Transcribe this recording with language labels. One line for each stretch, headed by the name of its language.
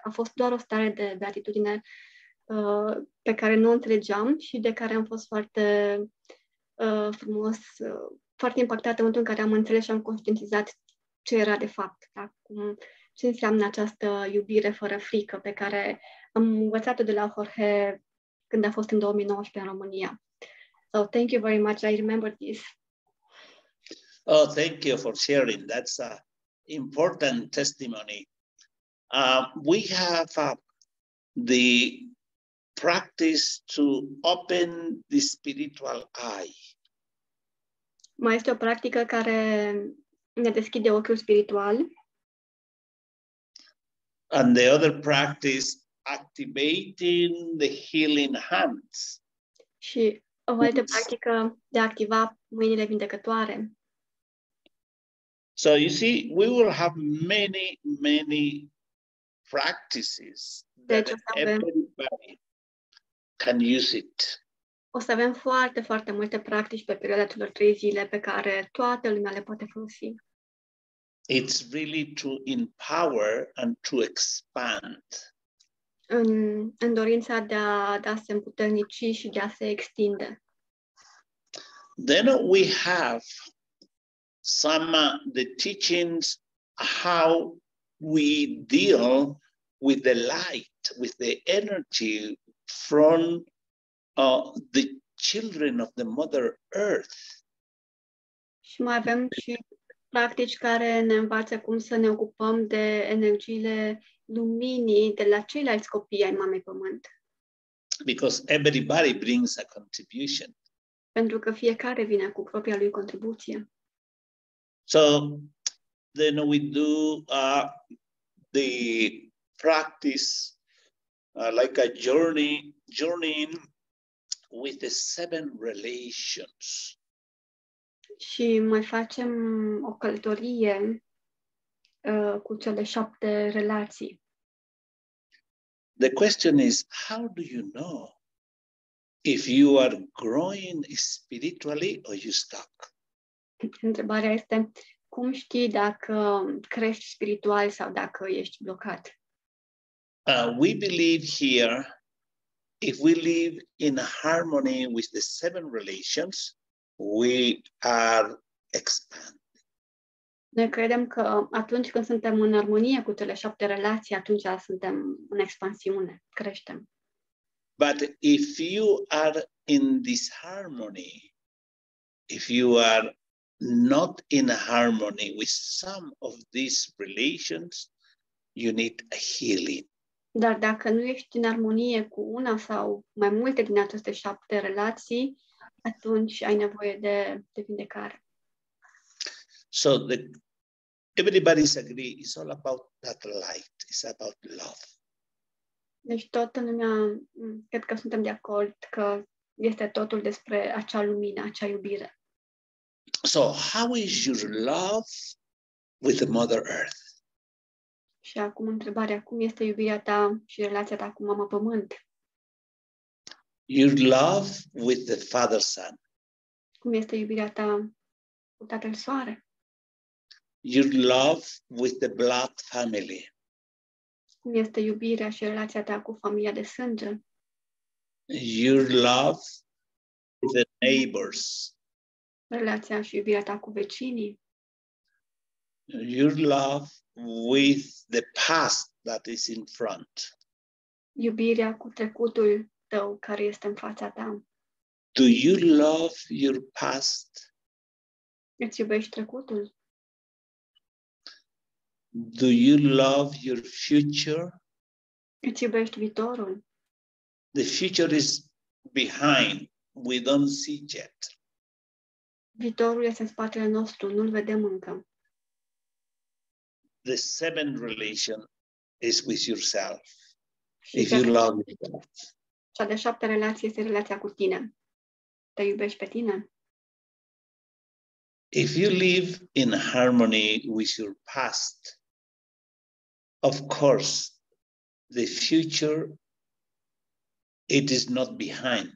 Romanian: A fost doar o stare de beatitudine pe care nu o înțelegeam și de care am fost foarte frumos, foarte impactată în momentul în care am înțeles și am conștientizat ce era de fapt, da? Ce înseamnă această iubire fără frică pe care am învățat-o de la Jorge când a fost în 2019 în România.
English: So, thank you very much. I remember this. Oh, thank you for sharing. That's an important testimony. We have the practice to open the spiritual eye.
Romanian: Mai este o practică care ne deschide ochiul spiritual.
English: And the other practice, activating the healing hands.
Romanian: Și o altă practică de a activa mâinile vindecătoare.
English: So you see, we will have many, many practices that everybody can use it.
Romanian: O să avem foarte, foarte multe practici pe perioada celor 3 zile pe care toată lumea le poate folosi.
English: It's really to empower and to expand.
Romanian: În dorința de a se împuternici și de a se extinde.
English: Then we have some the teachings how we deal with the light, with the energy from the children of the Mother Earth.
Romanian: Și mai avem și practici care ne învață cum să ne ocupăm de energiile luminii de la ceilalți copii ai Mamei Pământ.
English: Because everybody brings a contribution.
Romanian: Pentru că fiecare vine cu propria lui contribuție.
English: So then we do the practice like a journeying with the 7 relations.
Romanian: Și mai facem o călătorie cu cele 7 relații.
English: The question is, how do you know if you are growing spiritually or you stuck?
Romanian: Întrebarea este, cum știi dacă crești spiritual sau dacă ești blocat?
English: We believe here, if we live in harmony with the 7 relations, we are expanding.
Romanian: Noi credem că atunci când suntem în armonie cu cele 7 relații, atunci suntem în expansiune, creștem.
English: But if you are in disharmony, if you are not in harmony with some of these relations, you need a healing.
Romanian: Dar dacă nu ești în armonie cu una sau mai multe din aceste 7 relații, atunci ai nevoie de vindecare.
English: So everybody's agree, it's all about that light, it's about love.
Romanian: Deci toată lumea, cred că suntem de acord că este totul despre acea lumină, acea iubire.
English: So how is your love with the Mother Earth?
Romanian: Și acum întrebarea, cum este iubirea ta și relația ta cu Mama Pământ?
English: Your love with the Father Sun.
Romanian: Cum este iubirea ta cu Tatăl Soare?
English: Your love with the blood family.
Romanian: Cum este iubirea și relația ta cu familia de sânge?
English: Your love with the neighbors.
Romanian: Relația și iubirea ta cu vecinii.
English: Your love with the past that is in front.
Romanian: Iubirea cu trecutul tău care este în fața ta.
English: Do you love your past?
Romanian: Îți iubești trecutul?
English: Do you love your future?
Romanian: Îți iubești viitorul?
English: The future is behind. We don't see yet.
Romanian: Viitorul este în spatele nostru. Nu-l vedem încă.
English: The 7 relation is with yourself. If you love yourself.
Romanian: Cea de 7 relație este relația cu tine. te iubești pe tine.
English: If you live in harmony with your past, of course, the future, it is not behind.